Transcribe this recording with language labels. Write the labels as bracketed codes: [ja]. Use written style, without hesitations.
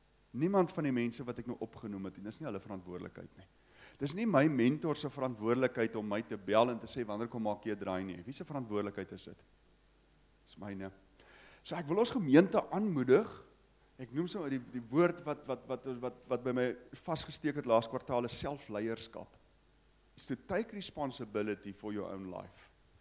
[af] Niemand van die mense wat ek nou opgenoem het, dis nie hulle verantwoordelikheid nie. Dis nie my mentor se verantwoordelikheid om my te bel en te sê wanneer kom maak jy 'n draai nie. Wie se verantwoordelikheid is dit? Dis myne. So ek wil ons gemeente aanmoedig. Ek noem sommer die woord wat by my vasgesteek het laas kwartaal is selfleierskap. [en] Is to take responsibility for your own life.